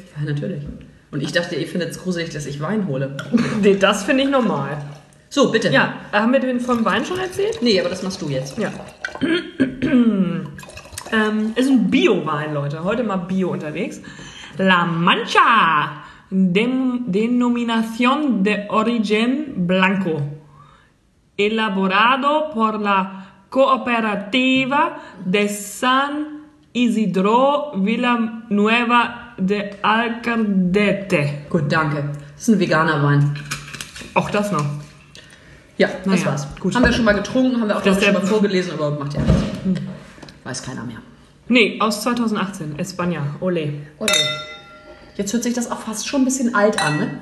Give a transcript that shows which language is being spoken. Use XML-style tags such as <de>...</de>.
<de>Ja, natürlich. Und ich dachte, ihr findet es gruselig, dass ich Wein hole. Nee, das finde ich normal. So, bitte. Ja, haben wir den vom Wein schon erzählt? Nee, aber das machst du jetzt. Ja. Es ist ein Bio-Wein, Leute. Heute mal Bio unterwegs.</de> <es>La Mancha. Denominación de origen blanco. Elaborado por la Cooperativa de San Isidro Villanueva de Alcaldete.</es> <de>Gut, danke. Das ist ein veganer Wein. Auch das noch. Ja, das war's. Gut. Haben wir schon mal getrunken, haben wir auch schon mal vorgelesen, aber macht ja nichts. Weiß keiner mehr. Nee, aus 2018. España. Olé. Olé. Jetzt hört sich das auch fast schon ein bisschen alt an, ne?</de>